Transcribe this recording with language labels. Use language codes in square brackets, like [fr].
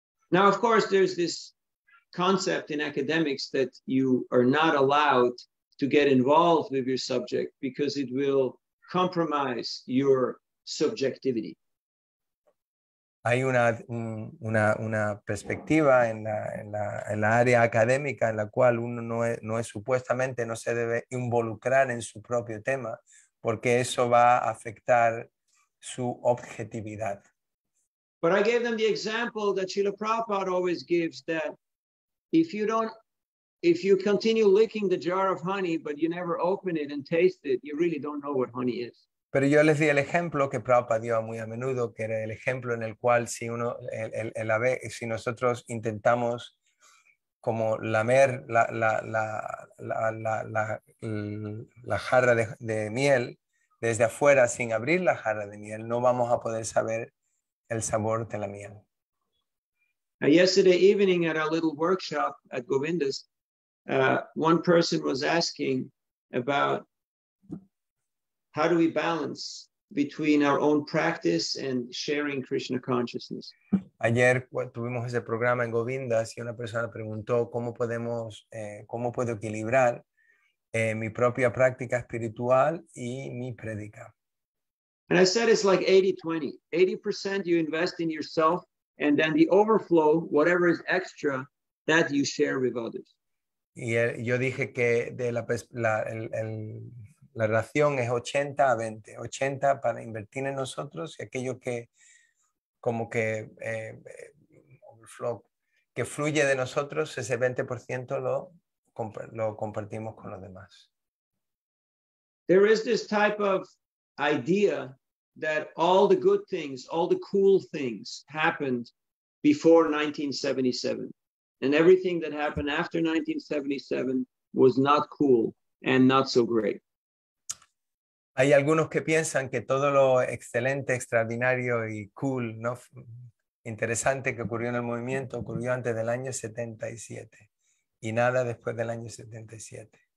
[en] Now, of course, there's this concept in academics that you are not allowed to get involved with your subject because it will compromise your subjectivity. [es] Hay una perspectiva en la área académica en la cual uno no se debe involucrar en su propio tema porque eso va a afectar su objetividad. [en] But I gave them the example that Srila Prabhupada always gives, that if you continue licking the jar of honey but you never open it and taste it, you really don't know what honey is. [es] Pero yo les di el ejemplo que Prabhupada dio muy a menudo, que era el ejemplo en el cual si nosotros intentamos como lamer la jarra de miel desde afuera sin abrir la jarra de miel, no vamos a poder saber el sabor de la miel. [en] Yesterday evening at a little workshop at Govinda's, one person was asking about how do we balance between our own practice and sharing Krishna consciousness? [es] Ayer tuvimos ese programa en Govindas y una persona preguntó cómo puedo equilibrar mi propia práctica espiritual y mi prédica. [en] And I said it's like 80-20. 80% you invest in yourself and then the overflow, whatever is extra, that you share with others. [es] Y yo dije que la relación es 80 a 20. 80 para invertir en nosotros y aquello que como que overflow, que fluye de nosotros, ese 20% lo compartimos con los demás. [en] There is this type of idea that all the good things, all the cool things happened before 1977. And everything that happened after 1977 was not cool and not so great. [es] Hay algunos que piensan que todo lo excelente, extraordinario y cool, ¿no?, interesante que ocurrió en el movimiento ocurrió antes del año 77 y nada después del año 77.